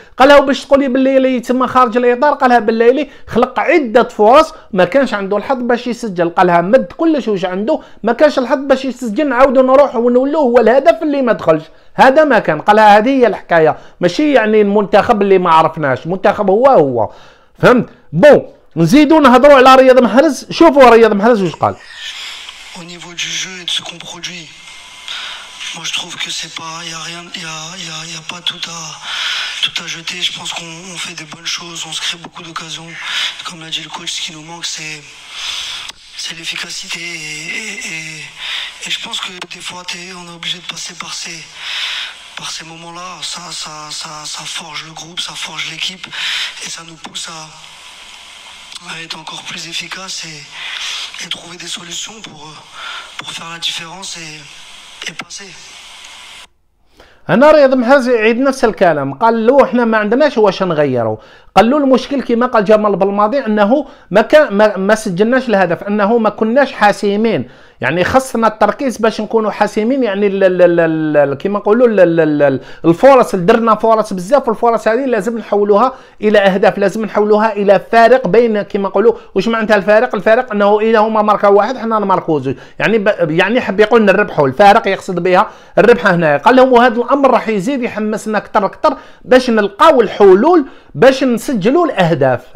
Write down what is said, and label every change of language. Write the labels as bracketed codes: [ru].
[ar] قالها باش تقولي بالليلي تما خارج الاطار، قالها بالليلي خلق عده فرص ما كانش عنده الحظ باش يسجل، قالها مد كلش واش عنده، ما كانش الحظ باش يسجل، نعاودو نروحو ونولو هو الهدف اللي ما دخلش، هذا ما كان. قالها هذه هي الحكايه، ماشي يعني المنتخب اللي ما عرفناش، المنتخب هو فهمت. بو، نزيدو نهضروا على رياض محرز. شوفوا رياض محرز واش قال. [fr] au niveau du jeu et de ce qu'on produit. Moi, je trouve que c'est pas, il y a rien, il y a pas tout à jeter. Je pense qu'on fait des bonnes choses, on se crée beaucoup d'occasions. Comme l'a dit le coach, ce qui nous manque, c'est l'efficacité. Et je pense que des fois, on est obligé de passer par ces moments-là. Ça forge le groupe, ça forge l'équipe, et ça nous pousse à être encore plus efficace et trouver des solutions pour faire la différence et passer. [ar] هنا رياض محاز يعيد نفس الكلام، قال له احنا ما عندناش واش نغيره، قال له المشكل كما قال جمال بالماضي انه ما سجلناش الهدف، انه ما كناش حاسمين، يعني خصنا التركيز باش نكونوا حاسمين، يعني كما نقولوا الفرص درنا فرص بزاف، والفرص هذه لازم نحولوها الى اهداف، لازم نحولوها الى فارق بين كما نقولوا واش معناتها الفارق؟ الفارق انه اذا هما ماركا واحد حنا ماركو زوج، يعني حب يقول نربحوا، الفارق يقصد بها الربح هنا، قال لهم وهذا الامر راح يزيد يحمسنا اكثر اكثر باش نلقاو الحلول باش نسجلوا الاهداف.